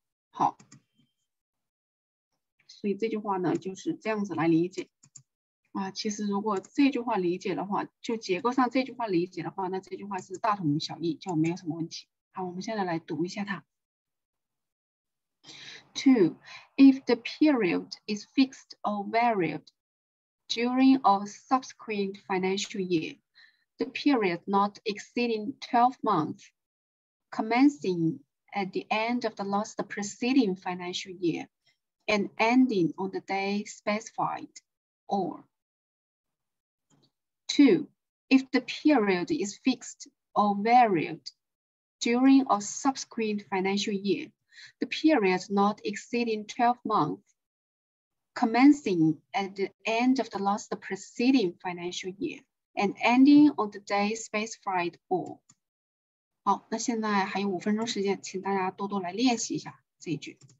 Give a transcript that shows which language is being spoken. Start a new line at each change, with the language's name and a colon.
Chinese: 好，所以这句话呢就是这样子来理解其实如果这句话理解的话，就结构上这句话理解的话，那这句话是大同小异，就没有什么问题。好，我们现在来读一下它。 2.
English: If the period is fixed or varied during a subsequent financial yearThe period not exceeding 12 months, commencing at the end of the last preceding financial year and ending on the day specified, or 2. If the period is fixed or varied during a subsequent financial year, the period not exceeding 12 months, commencing at the end of the last preceding financial year. And ending on the day specified for.
Chinese: 好，那现在还有五分钟时间，请大家多多来练习一下这一句。